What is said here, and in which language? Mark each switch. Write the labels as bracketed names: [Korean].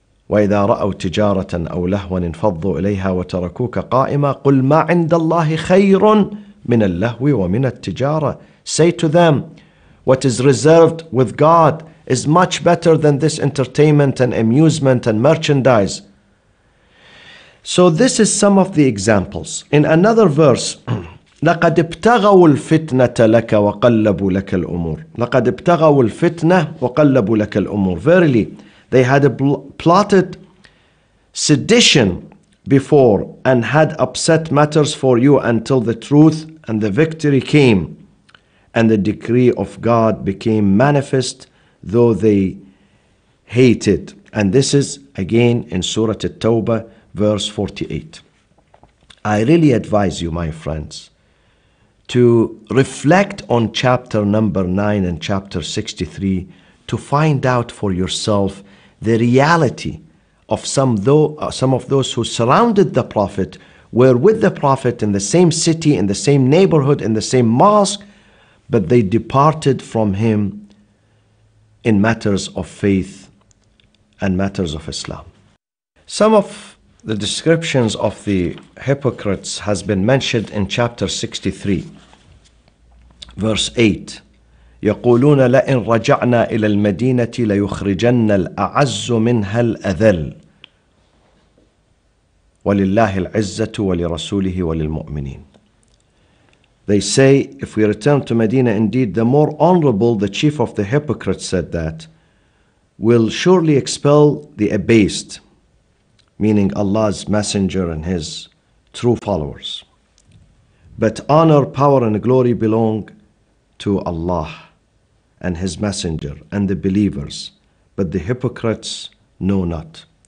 [Arabic] وَإِذَا رَأَوْا تِجَارَةً أَوْ لَهْوًا انْفَضُّوا إِلَيْهَا وَتَرَكُوكَ قَائِمًا قُلْ مَا عِنْدَ اللَّهِ خَيْرٌ مِنَ اللَّهْوِ وَمِنَ التِّجَارَةِ. [English] Say to them, what is reserved with God is much better than this entertainment and amusement and merchandise. So this is some of the examples. In another verse, [Arabic] لَقَدْ ابْتَغَوُ الْفِتْنَةَ لَكَ وَقَلَّبُوا لَكَ الْأُمُورِ. لَقَدْ ابْتَغَوُ الْفِتْنَةَ وَقَلَّبُوا لَكَ الْأُمُورِ. [English] Verily, they had plotted sedition before and had upset matters for you until the truth and the victory came and the decree of God became manifest, though they hate it. And this is again in Surah At-Tawbah, verse 48. I really advise you, my friends, to reflect on chapter number 9 and chapter 63 to find out for yourself the reality of some of those who surrounded the Prophet, were with the Prophet in the same city, in the same neighborhood, in the same mosque, but they departed from him in matters of faith and matters of Islam. Some of the descriptions of the hypocrites has been mentioned in chapter 63, verse 8. [Arabic] يقولون لئن رجعنا إلى المدينة ليخرجن الأعز منها الأذل ولله العزة ولرسوله وللمؤمنين. [English] They say, if we return to Medina, indeed the more honorable, the chief of the hypocrites said that, will surely expel the abased, meaning Allah's messenger and his true followers. But honor, power, and glory belong to Allah and his messenger and the believers, but the hypocrites know not.